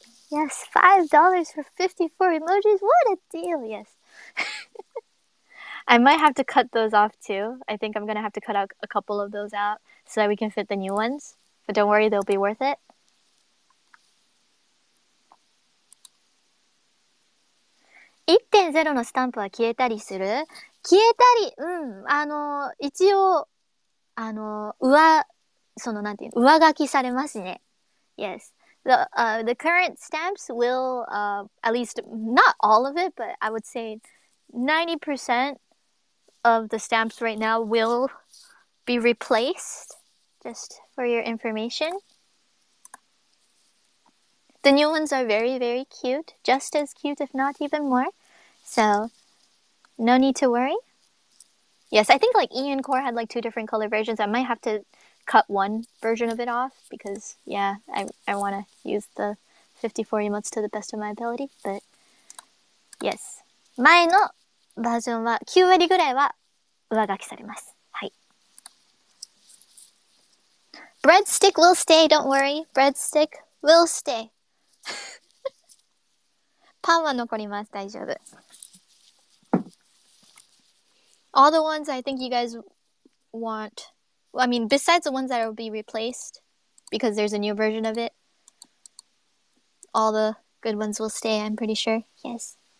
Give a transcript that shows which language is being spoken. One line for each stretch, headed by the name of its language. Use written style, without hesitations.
English: Yes, $5 for 54 emojis, what a deal, yes. I might have to cut those off too. I think I'm gonna have to cut out a couple of those out so that we can fit the new ones. But don't worry, they'll be worth it.
Japanese: 1.0 のスタンプは消えたりする？消えたり、うん。一応、上書きされますね。
English: Yes. The current stamps will, at least, not all of it, but I would say 90% of the stamps right now will be replaced, just for your information. The new ones are very, very cute. Just as cute, if not even more. So, no need to worry. Yes, I think like Ian Core had like two different color versions. I might have to cut one version of it off because, yeah, I want to use the 54 emotes to the best of my ability. But, yes.
Japanese: 前のバージョンは9割ぐらいは上書きされます。はい。
English: Breadstick will stay, don't worry. Breadstick will stay.
Japanese: パンは残ります。大丈夫。
English: All the ones I think you guys want, I mean, besides the ones that will be replaced because there's a new version of it, all the good ones will stay, I'm pretty sure. Yes.